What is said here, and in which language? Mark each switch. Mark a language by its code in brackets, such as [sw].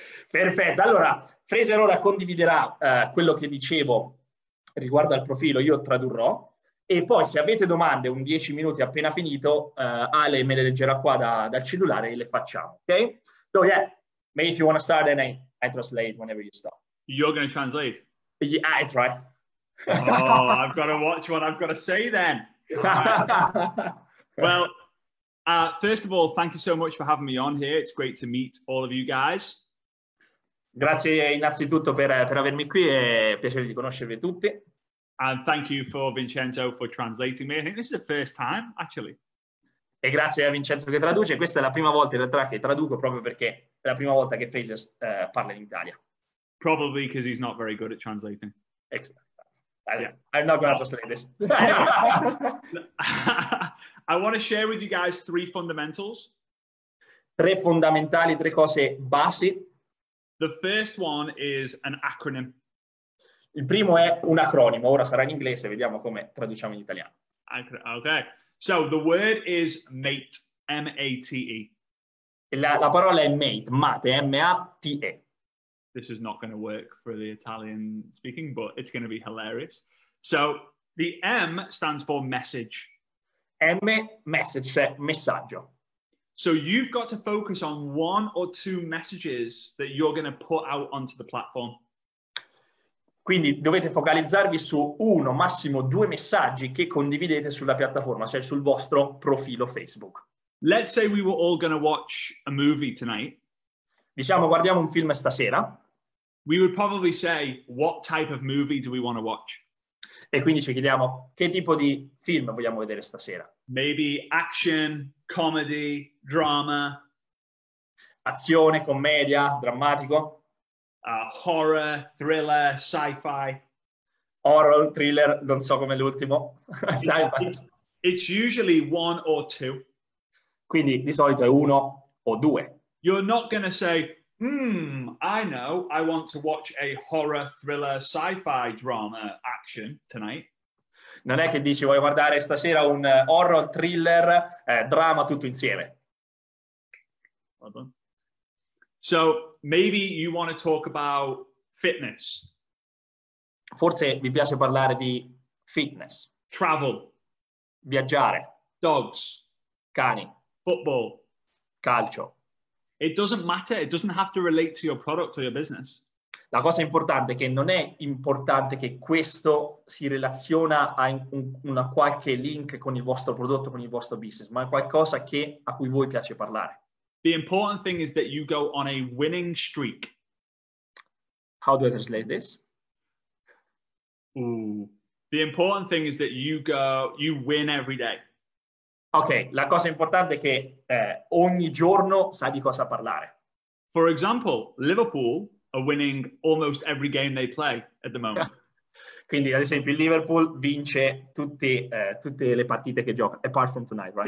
[it] Perfetto, allora Fraser ora condividerà quello che dicevo riguardo al profilo, io tradurrò, e poi se avete domande, un 10 minuti appena finito, Ale me le leggerà qua dal cellulare e le facciamo, ok? [en] So yeah, maybe if you want to start and I translate whenever you stop. You're going to translate? Yeah, I try. Oh, I've got to watch what I've got to say then. Right. Well, first of all, thank you so much for having me on here. It's great to meet all of you guys. [it] Grazie innanzitutto per avermi qui, è piacere di conoscervi tutti. [en] And thank you for Vincenzo for translating me. I think this is the first time, actually. [it] E grazie a Vincenzo che traduce. Questa è la prima volta in realtà che traduco, proprio perché è la prima volta che Fraser parla in Italia. [en] Probably because he's not very good at translating. Exactly. I'm not going to translate this. I want to share with you guys three fundamentals. [it] Tre fondamentali, tre cose basi. [en] The first one is an acronym. [it] Il primo è un acronimo. Ora sarà in inglese, vediamo come traduciamo in italiano. [en] Okay. So the word is mate, M-A-T-E. [it] La parola è mate, mate, M-A-T-E. [en] This is not going to work for the Italian speaking, but it's going to be hilarious. So the M stands for message. [it] M, message, cioè messaggio. [en] So you've got to focus on one or two messages that you're going to put out onto the platform. [it] Quindi dovete focalizzarvi su uno, massimo due messaggi che condividete sulla piattaforma, cioè sul vostro profilo Facebook. [en] Let's say we were all going to watch a movie tonight. [it] Diciamo, guardiamo un film stasera. [en] We would probably say, what type of movie do we want to watch? [it] E quindi ci chiediamo, che tipo di film vogliamo vedere stasera? [en] Maybe action, comedy, drama. [it] Azione, commedia, drammatico. [en] Horror, thriller, sci-fi. [it] Horror, thriller, non so come l'ultimo. Sci-fi. [en] It's usually one or two. [it] Quindi di solito è uno o due. [en] You're not going to say, I know, I want to watch a horror, thriller, sci-fi, drama, action tonight. [it] Non è che dici, vuoi guardare stasera un horror, thriller, drama tutto insieme. [en] Well done. So maybe you want to talk about fitness. [it] Forse vi piace parlare di fitness. [en] Travel. [it] Viaggiare. [en] Dogs. [it] Cani. [en] Football. [it] Calcio. [en] It doesn't matter. It doesn't have to relate to your product or your business. [it] La cosa importante è che non è importante che questo si relaziona a una qualche link con il vostro prodotto, con il vostro business, ma è qualcosa che a cui voi piace parlare. [en] The important thing is that you go on a winning streak. How do I translate this? Ooh. The important thing is that you win every day. [it] Okay, la cosa importante è che ogni giorno sai di cosa parlare. [en] For example, Liverpool are winning almost every game they play at the moment. [it] Quindi, ad esempio, Liverpool vince tutte le partite che gioca, [en] apart from tonight, right?